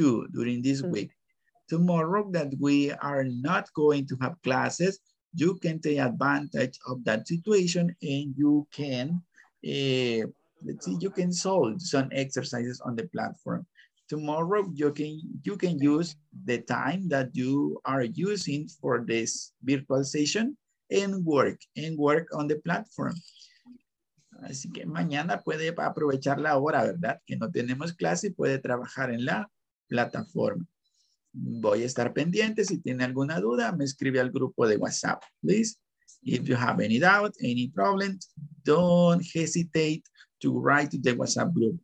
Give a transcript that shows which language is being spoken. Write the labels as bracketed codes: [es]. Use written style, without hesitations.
[en] too during this week. Tomorrow that we are not going to have classes, you can take advantage of that situation and you can, let's see, you can solve some exercises on the platform. Tomorrow you can use the time that you are using for this virtual session and work on the platform. [es] Así que mañana puede aprovechar la hora, ¿verdad? Que no tenemos clase y puede trabajar en la plataforma. Voy a estar pendiente. Si tiene alguna duda, me escribe al grupo de WhatsApp. [en] Please, if you have any doubt, any problem, don't hesitate to write to the WhatsApp group.